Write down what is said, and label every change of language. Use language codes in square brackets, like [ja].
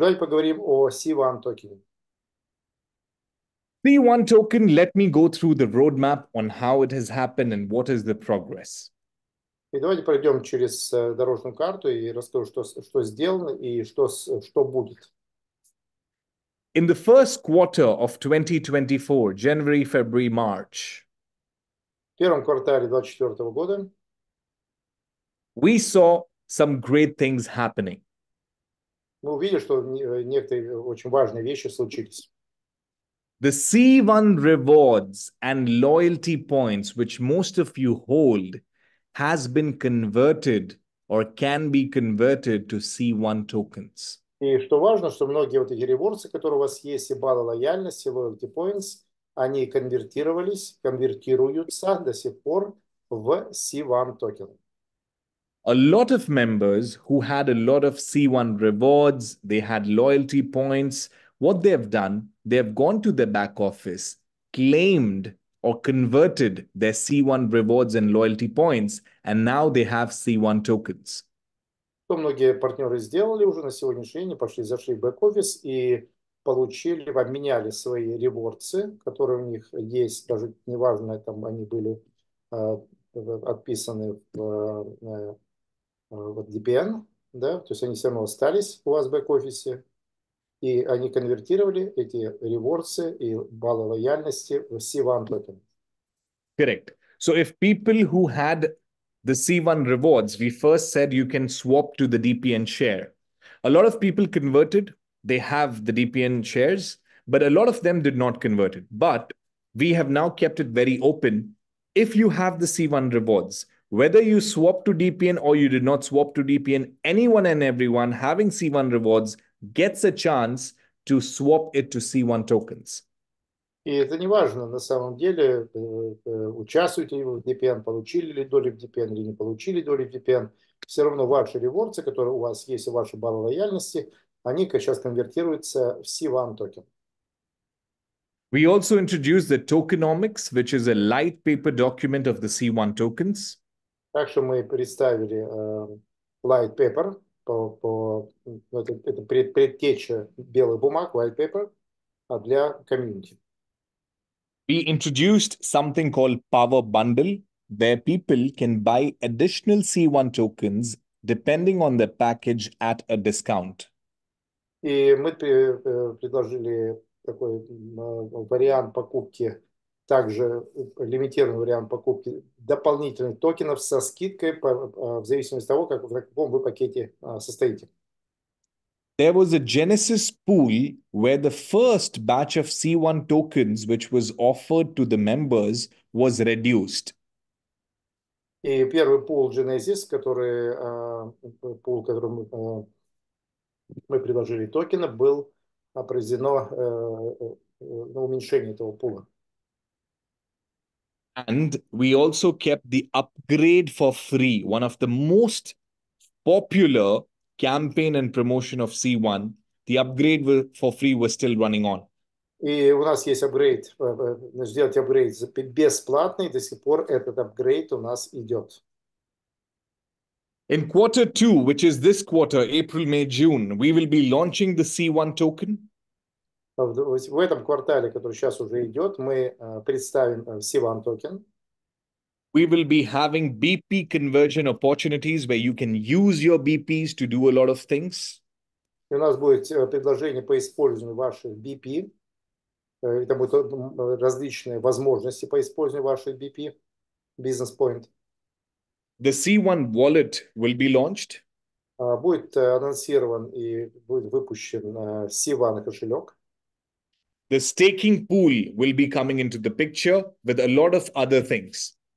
[ru] Давайте поговорим о C1 токене. [en] C1 token, let me go through the roadmap on how it has happened and what is the progress. [ru] И давайте пройдем через дорожную карту и расскажу, что сделано и что будет. [en] In the first quarter of 2024, January, February, March, [ru] в первом квартале 2024 года [en] we saw some great things happening. [ru] Мы увидели, что некоторые очень важные вещи случились. [en] The C1 rewards and loyalty points, which most of you hold, has been converted or can be converted to C1 tokens. [ru] И что важно, что многие вот эти ревордсы, которые у вас есть, и баллы лояльности, loyalty points, они конвертируются до сих пор в C1 токены. [en] A lot of members who had a lot of C1 rewards, they had loyalty points, what they have done, they have gone to their back office, claimed or converted their C1 rewards and loyalty points, and now they have C1 tokens. [ru] Что многие партнеры сделали уже на сегодняшний день, пошли, зашли в бэк-офис и получили, обменяли свои ревордсы, которые у них есть, даже неважно, там они были отписаны в DPN, да, то есть они все равно остались у вас в бэк-офисе, и они конвертировали эти ревордсы и баллы лояльности в C1 токены. [en] Correct. So if people who had the C1 rewards, we first said you can swap to the DPN share. A lot of people converted. They have the DPN shares, but a lot of them did not convert it. But we have now kept it very open. If you have the C1 rewards, whether you swap to DPN or you did not swap to DPN, anyone and everyone having C1 rewards gets a chance to swap it to C1 tokens. [ru] И это не важно, на самом деле, участвуете ли вы в DPN, получили ли долю в DPN или не получили долю в DPN. Все равно ваши ревордсы, которые у вас есть, и ваши баллы лояльности, они сейчас конвертируются в C1 токен. [en] We also introduced the tokenomics, which is a light paper document of the C1 tokens. [ru] Также мы представили light paper, это предтеча белых бумаг, light paper, для комьюнити. [en] We introduced something called Power Bundle, where people can buy additional C1 tokens depending on the package at a discount. [ru] И мы предложили такой вариант покупки, также лимитированный вариант покупки дополнительных токенов со скидкой в зависимости от того, в каком вы пакете состоите. [en] There was a Genesis pool where the first batch of C1 tokens, which was offered to the members, was reduced. [ru] И первый пул Genesis, который пул, которым мы предложили токены, был произведено уменьшение этого пула. [en] And we also kept the upgrade for free, one of the most popular campaign and promotion of C1, the upgrade for free was still running on. [ru] И у нас есть апгрейд, сделать апгрейд бесплатный, до сих пор этот апгрейд у нас идет. [en] In quarter two, which is this quarter, April, May, June, we will be launching the C1 token. [ru] В этом квартале, который сейчас уже идет, мы представим C1 токен. [en] We will be having BP conversion opportunities where you can use your BPs to do a lot of things. [ru] И у нас будет предложение по использованию ваших BP. Это будут различные возможности по использованию ваших BP, business point. [en] The C1 wallet will be launched. [ru] Будет анонсирован и будет выпущен C1 кошелек. [en] The staking pool will be coming into the picture with a lot of other things.